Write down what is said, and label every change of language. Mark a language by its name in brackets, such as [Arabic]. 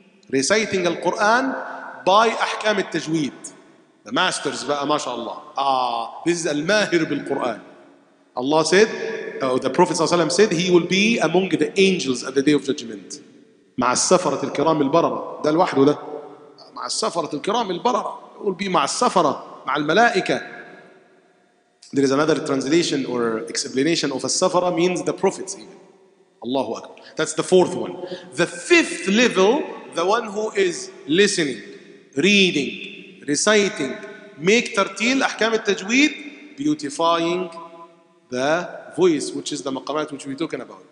[English] Reciting the Quran by أحكام التجويد. The masters [Arabic] بقى ما شاء الله. [English] This is الماهر بالقرآن. Allah said, the Prophet ﷺ said, he will be among the angels at the Day of Judgment. [Arabic] مع السفرة الكرام البررة. ده الواحد وده. مع السفرة الكرام البررة. [English] He will be [Arabic] مع السفرة, مع الملائكة. [English] There is another translation or explanation of السفرة means the prophets even. [Arabic] الله أكبر. [English] That's the fourth one. The fifth level, the one who is listening, reading, reciting, make ترتيل أحكام التجويد, beautifying the voice, which is the maqamat which we're talking about.